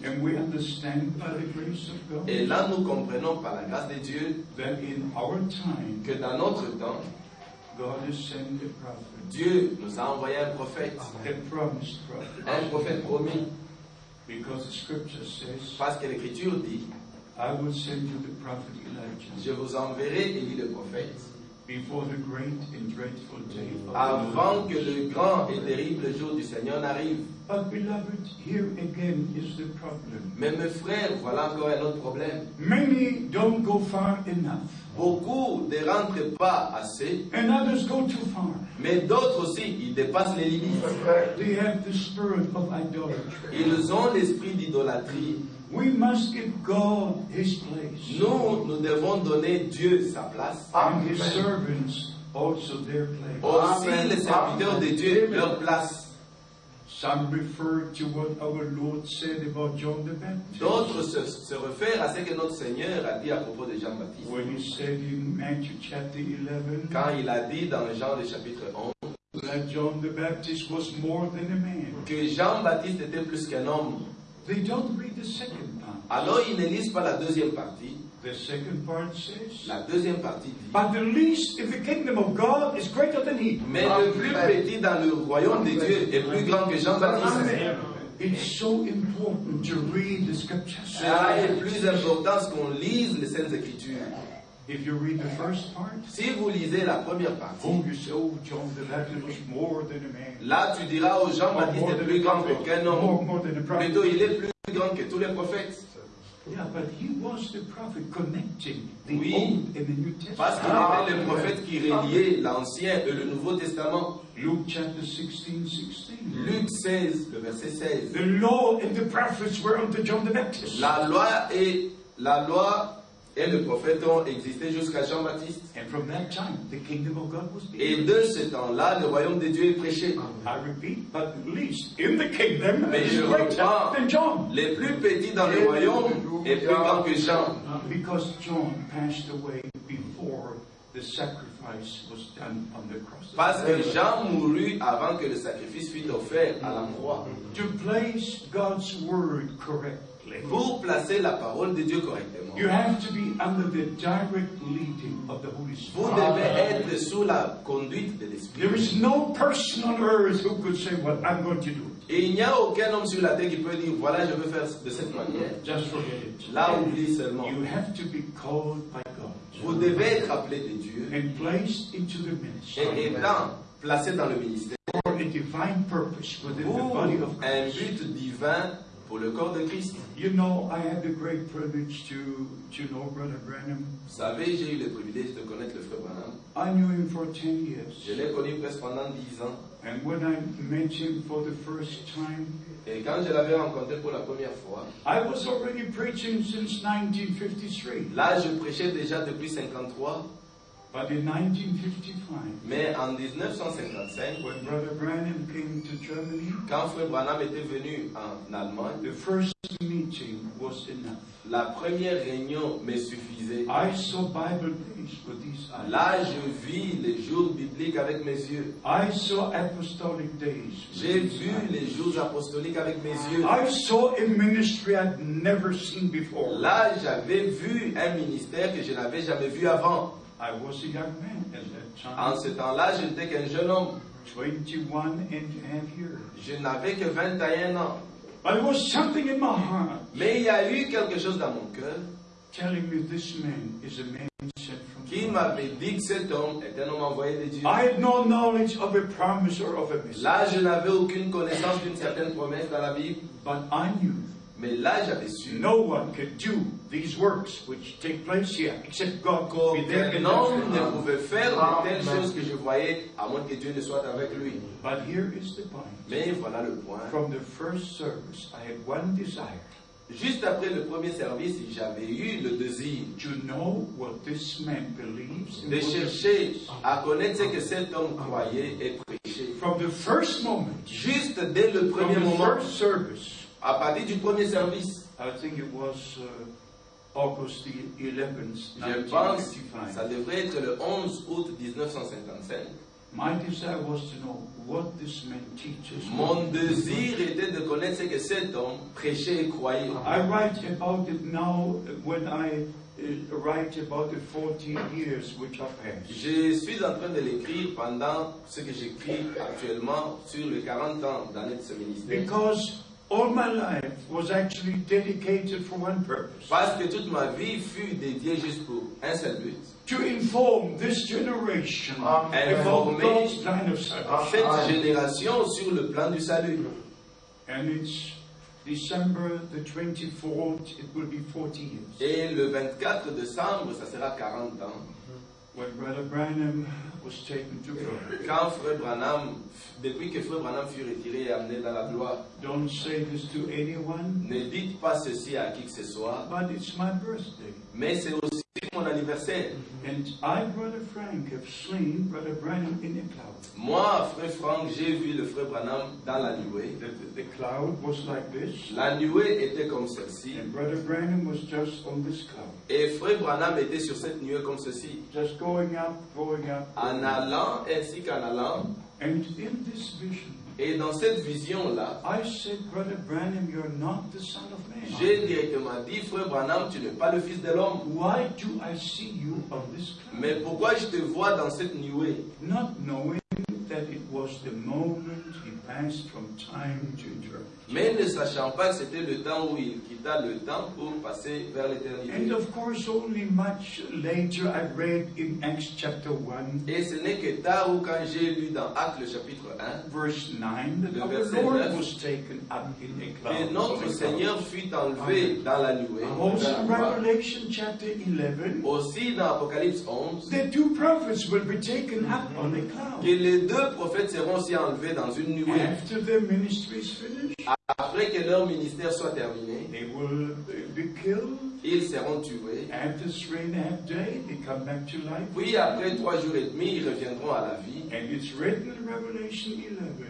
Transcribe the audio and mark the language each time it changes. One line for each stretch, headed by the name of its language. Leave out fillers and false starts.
English: And we understand by the grace of God.
French: Et là, nous comprenons par la grâce de Dieu
English: that in our time,
French: que dans notre temps,
English: God has sent a prophet.
French: Dieu nous a envoyé un prophète.
English: A promised prophet.
French: Un prophète promis.
English: Because the scripture says,
French: parce que l'écriture dit,
English: I will send you the prophet Elijah.
French: Je vous enverrai Élie le prophète.
English: Before the great and dreadful day of
French: avant que le grand et terrible jour du Seigneur n'arrive.
English: But beloved, here again is the problem.
French: Mais mes frères, voilà encore un autre problème.
English: Many don't go far enough.
French: Beaucoup ne rentrent pas assez.
English: And others go too far.
French: Mais d'autres aussi, ils dépassent les limites.
English: They have the spirit of idolatry.
French: Ils ont l'esprit d'idolâtrie.
English: We must give God his place.
French: Nous devons donner Dieu sa place.
English: And his servants also their place.
French: Aussi les serviteurs de Dieu leur place.
English: Some refer to what our Lord said about John the Baptist.
French: D'autres se réfèrent à ce que notre Seigneur a dit à propos de Jean-Baptiste.
English: When he said in Matthew chapter 11.
French: Quand il a dit dans Jean le chapitre 11.
English: That John the Baptist was more than a man.
French: Que Jean-Baptiste était plus qu'un homme.
English: They don't read the second part.
French: Alors ils ne lisent pas la deuxième partie.
English: The second part says.
French: La deuxième partie dit.
English: But the least in the kingdom of God is greater than he.
French: Mais le plus petit dans le royaume de Dieu est plus grand que Jean-Baptiste.
English: It's so important to read the scriptures.
French: Cela est plus important qu'on lise les saintes écritures.
English: If you read the first part.
French: Si vous lisez la première partie.
English: Oh, you say, oh, John the Baptist was more than a man.
French: Là, tu diras aux Jean-Baptiste est plus grand qu'aucun homme. Plutôt, il est plus grand que tous les prophètes.
English: Yeah, but he was the prophet connecting the
French: oui,
English: Old and the New Testament.
French: Parce qu'il était le prophète qui reliait l'Ancien et le Nouveau Testament.
English: Luke chapter 16:16.
French: Luke 16, le verset 16.
English: The law and the prophets were unto John the Baptist.
French: La loi et La loi et le prophète ont existé jusqu'à Jean-Baptiste.
English: And from that time, the kingdom of God was preached.
French: Et de ce temps-là, le royaume de Dieu est prêché.
English: I repeat, but least in the kingdom is greater than John.
French: Les plus petits dans le royaume est plus grand que Jean.
English: Because John passed away before the sacrifice was done on the cross.
French: Parce que Jean mourut avant que le sacrifice fût offert à la croix.
English: To place God's word correctly.
French: Pour placer la parole de Dieu correctement,
English: you have to be under the direct leading of the Holy Spirit.
French: Vous devez être sous la conduite de l'Esprit.
English: There is no person on earth who could say what I'm going to do.
French: Et il n'y a aucun homme sur la terre qui peut dire voilà je veux faire de cette manière.
English: Just forget it.
French: Là oublie seulement.
English: You have to be called by God.
French: Vous devez être appelé de Dieu.
English: And placed into the ministry.
French: Et étant placé dans le ministère.
English: For a divine purpose within the body of Christ.
French: Un but divin. Pour le corps de Christ.
English: You know, I had the great privilege to know Brother Branham.
French: Vous savez, j'ai eu le privilège de connaître le frère Branham.
English: I knew him for 10 years.
French: Je l'ai connu presque pendant 10 ans.
English: And when I met him for the first time,
French: et quand je l'avais rencontré pour la première fois,
English: I was already preaching since 1953.
French: Là, je prêchais déjà depuis 1953.
English: But in 1955,
French: mais en 1955,
English: when Brother Branham came to Germany,
French: quand Frère Branham était venu en Allemagne,
English: the first meeting was enough.
French: La première réunion me suffisait.
English: I saw Bible days with these eyes.
French: Là, je vis les jours bibliques avec mes yeux.
English: I saw apostolic days.
French: J'ai vu les jours apostoliques avec mes yeux.
English: I saw a ministry I'd never seen before.
French: Là, j'avais vu un ministère que je n'avais jamais vu avant.
English: I was a young man at that time.
French: En ce temps-là, je n'étais qu'un jeune homme.
English: 21 and a half years.
French: Je n'avais que 21 ans.
English: But it was something in my heart.
French: Mais il y a eu quelque chose dans mon cœur.
English: Telling me this man is a man sent from God.
French: Qui m'avait dit que cet homme est un homme envoyé de Dieu.
English: I had no knowledge of a promise or of a message.
French: Là, je n'avais aucune connaissance d'une certaine promesse dans la Bible.
English: But I knew.
French: Mais là, j'avais su.
English: No one could do these works which take place here except God.
French: Ne pouvait faire de telles choses que je voyais à moins que Dieu ne soit avec lui.
English: But here is the point.
French: Mais voilà le point.
English: From the first service, I had one desire.
French: Juste après le premier service, j'avais eu le désir.
English: To know what this man believes.
French: De chercher à connaître ce que cet homme croyait et prêchait.
English: From the first moment.
French: Juste dès le premier
English: from moment. From the first service.
French: À partir du premier service,
English: I think it was August the 11th,
French: 1955. Je pense, ça devrait être le 11 août 1955.
English: My desire was to know what this man teaches.
French: Mon désir était de connaître ce que cet homme prêchait et croyait.
English: I write about it now when I write about the 14 years which have passed.
French: Je suis en train de l'écrire pendant ce que j'écris actuellement sur les 40 ans d'année de ce ministère.
English: Because all my life was actually dedicated for one purpose.
French: Parce que toute ma vie fut dédiée juste pour un seul but.
English: To inform this generation about God's plan of salvation.
French: En fait, génération sur le plan du salut.
English: And it's December the 24th, it will be 40 years.
French: Et le 24 décembre, ça sera 40 ans.
English: When Brother Branham was taken to glory.
French: Quand Frère Branham, depuis que Frère Branham fut retiré et amené dans la gloire,
English: don't say this to anyone.
French: Ne dites pas ceci à qui que ce soit.
English: But it's my birthday.
French: Mais c'est aussi mon anniversaire.
English: And I, Brother Frank, have seen Brother Branham in a cloud.
French: Moi, Frère Frank, j'ai vu le Frère Branham dans la nuée.
English: The cloud was like this.
French: La nuée était comme celle-ci.
English: And Brother Branham was just on this cloud.
French: Et Frère Branham était sur cette nuée comme ceci.
English: Just going up.
French: En allant ainsi qu'en allant.
English: And in this vision.
French: Et dans cette vision-là,
English: I said, Brother Branham, you're not the son of man.
French: J'ai directement dit, Frère Branham, tu n'es pas le fils de l'homme.
English: Why do I see you on this cloud?
French: Mais pourquoi je te vois dans cette nuée?
English: Not knowing that it was the moment he passed from time to eternity.
French: Mais ne sachant pas que c'était le temps où il quitta le temps pour passer vers l'éternité.
English: And of course, only much later I read in Acts chapter 1.
French: Et ce n'est que tard où quand j'ai lu dans Actes le chapitre 1,
English: verse 9,
French: le verset 9,
English: the Lord was taken up in a cloud.
French: Que notre Seigneur fut enlevé dans la nuée.
English: Also in Revelation chapter 11.
French: Aussi dans Apocalypse 11.
English: The two prophets will be taken up on a cloud.
French: Que les deux prophètes seront aussi enlevés dans une nuée.
English: After their ministry is finished.
French: Après que leur ministère soit terminé,
English: they will be killed.
French: Ils seront tués.
English: After 3.5 days, they come back to life.
French: Puis après 3 jours et demi, ils reviendront à la vie.
English: And it's written in Revelation 11.